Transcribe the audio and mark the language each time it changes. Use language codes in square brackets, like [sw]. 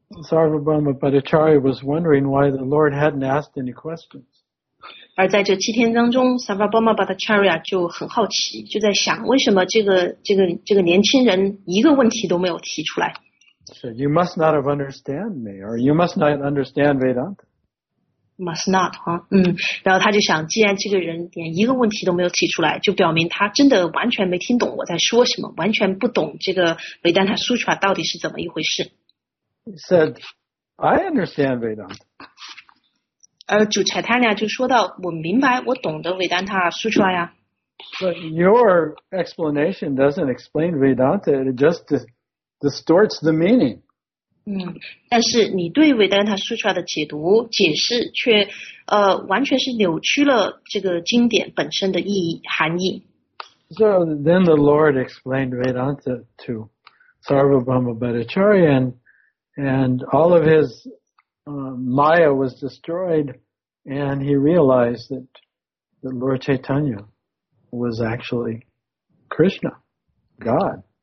[en] Sarvabhauma Bhattacharya was wondering why the Lord hadn't asked any questions. [zh] 而在这7天当中 Sarvabhauma Bhattacharya 就很好奇，就在想为什么这个年轻人一个问题都没有提出来。 [en] So you must not have understood me, or you must not understand Vedanta. Must not, [zh] 然后他就想，既然这个人连一个问题都没有提出来，就表明他真的完全没听懂我在说什么，完全不懂这个维丹塔苏特拉到底是怎么一回事。 [en] He said, I understand Vedanta. [zh] 而主柴坦尼亚就说到，我明白，我懂得维丹塔苏特拉呀。 [en] But your explanation doesn't explain Vedanta, it just distorts the meaning. [zh] 但是你对维丹塔苏特拉的解读解释却完全是扭曲了这个经典本身的意义含义。 [en] So then the Lord explained Vedanta to Sarvabhauma Bhattacharya and all of his Maya was destroyed and he realized that Lord Chaitanya was actually Krishna, God.